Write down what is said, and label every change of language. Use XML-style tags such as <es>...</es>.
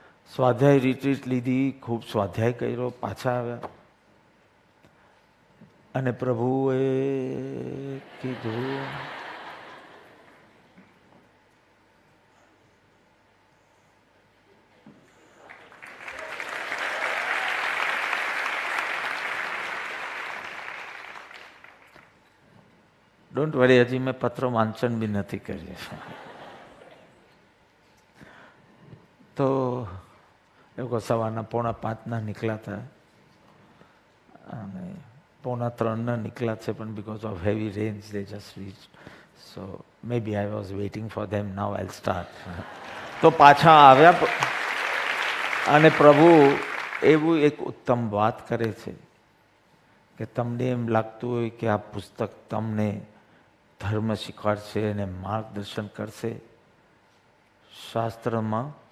<gu>સ્વાધ્યાય રિટ્રીટ લીધી, ખૂબ સ્વાધ્યાય કર્યો, પાછા આવ્યા અને પ્રભુએ કીધું</gu> <en>don't worry,</en> <gu>હજી મેં પત્ર વાંચન બી નથી કર્યો. તો એવું સવારના 4:45 નીકળ્યા હતા અને 3:45 નીકળ્યા છે, પણ</gu> <en>Because of heavy rains they just reach So maybe I was waiting for them, now I'll start.</en> <gu>તો પાછા આવ્યા અને પ્રભુ એવું એક ઉત્તમ વાત કરે છે કે તમને એમ લાગતું હોય કે આ પુસ્તક તમને ધર્મ શીખવાડશે અને માર્ગદર્શન કરશે, શાસ્ત્રમાં</gu>